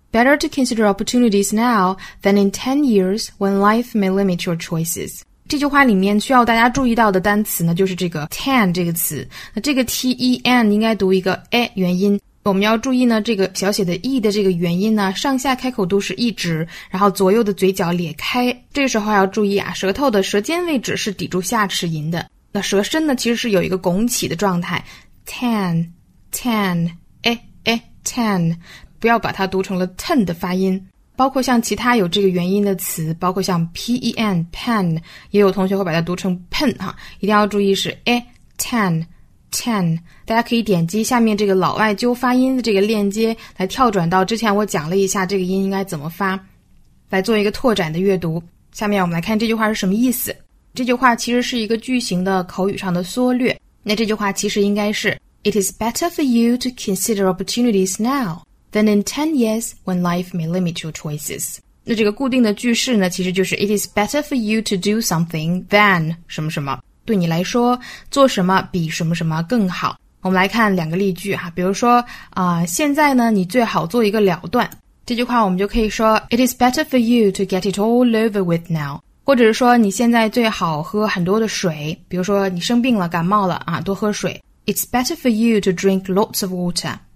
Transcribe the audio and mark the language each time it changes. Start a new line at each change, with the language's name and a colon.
English: Better to consider opportunities now than in 10 years when life may limit your choices.
Chinese: 这句话里面需要大家注意到的单词呢就是这个 ten 这个词。那这个 ten 应该读一个 a 元音。我们要注意呢这个小写的 e 的这个元音呢上下开口都是一直，然后左右的嘴角裂开。这时候要注意啊，舌头的舌尖位置是抵住下齿龈的。那舌身呢其实是有一个拱起的状态。
English: ten, ten, a, a, ten.
Chinese: 不要把它读成了 ten 的发音，包括像其他有这个元音的词，包括像 pen, pen, 也有同学会把它读成 pen 哈，一定要注意是 a, ten, ten. 大家可以点击下面这个老外纠发音的这个链接来跳转到之前我讲了一下这个音应该怎么发，来做一个拓展的阅读。下面我们来看这句话是什么意思。这句话其实是一个句型的口语上的缩略。那这句话其实应该是
English: It is better for you to consider opportunities now than in 10 years when life may limit your choices.
Chinese: 那这个固定的句式呢，其实就是
English: It is better for you to do something than
Chinese: 什么什么。对你来说，做什么比什么什么更好。我们来看两个例句啊，比如说现在呢，你最好做一个了断。这句话我们就可以说
English: It is better for you to get it all over with now.
Chinese: 或者是说你现在最好喝很多的水，比如说你生病了，感冒了啊，多喝水。
English: It's better for you to drink lots of water.